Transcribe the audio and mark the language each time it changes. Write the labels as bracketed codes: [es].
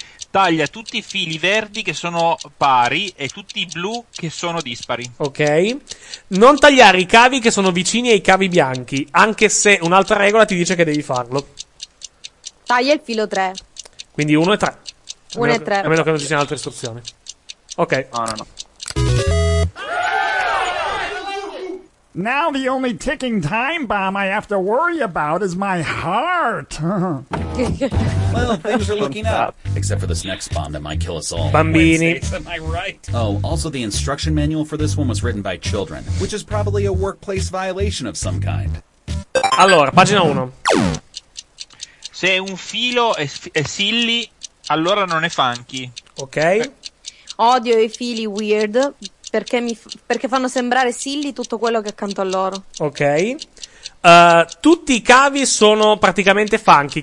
[it] Taglia tutti i fili verdi che sono pari e tutti i blu che sono dispari. Ok. Non tagliare i cavi che sono vicini ai cavi bianchi, anche se un'altra regola ti dice che devi farlo. Taglia il filo 3. Quindi 1 e 3. 1 e 3. A meno che non ci siano altre istruzioni. Ok. No. [en] Now the only ticking time bomb I have to worry about is my heart. Well, things are looking up. Except for this next bomb that might kill us all. [it] Bambini. [en] Am I right? Oh, also the instruction manual for this one was written by children, which is probably a workplace violation of some kind. [it] Allora, pagina 1. Se Se un filo è silly, allora non è funky. Ok. Beh. Odio i fili weird perché, perché fanno sembrare silly tutto quello che è accanto a loro. Ok. Tutti i cavi sono praticamente funky.